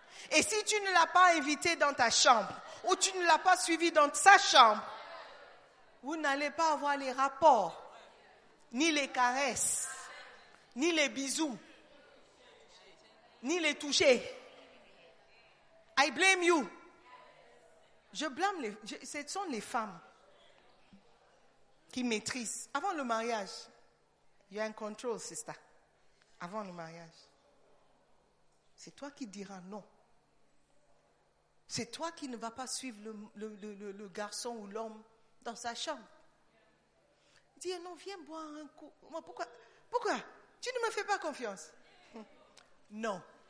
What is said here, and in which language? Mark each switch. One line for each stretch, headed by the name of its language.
French: Et si tu ne l'as pas invité dans ta chambre ou tu ne l'as pas suivi dans sa chambre, vous n'allez pas avoir les rapports, ni les caresses, ni les bisous, ni les toucher.
English: I blame you.
French: Ce sont les femmes qui maîtrisent. Avant le mariage,
English: you're in control, sister.
French: Avant le mariage, c'est toi qui diras non. C'est toi qui ne vas pas suivre le garçon ou l'homme dans sa chambre. Dis, non, viens boire un coup. Moi, pourquoi? Tu ne me fais pas confiance. Non.